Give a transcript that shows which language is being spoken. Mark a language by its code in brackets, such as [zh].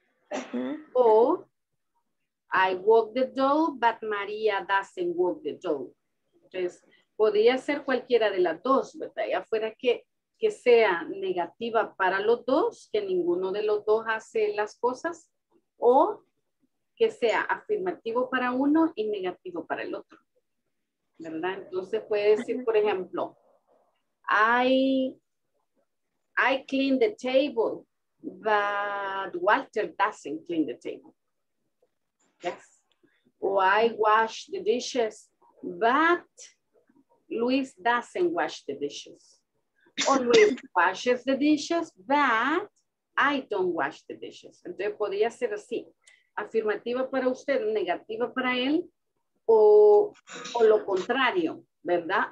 [en] Uh-huh. O I walk the dog, but María doesn't walk the dog. [es] Entonces, podría ser cualquiera de las dos, ¿verdad? Ya fuera que sea negativa para los dos, que ninguno de los dos hace las cosas, o que sea afirmativo para uno y negativo para el otro, ¿verdad? Entonces puede decir, por ejemplo, [en] I clean the table, but Walter doesn't clean the table. Yes. O I wash the dishes, but Luis doesn't wash the dishes. O Luis washes the dishes, but I don't wash the dishes. [es] Entonces podría ser así. Afirmativa para usted, negativa para él, o lo contrario, ¿verdad?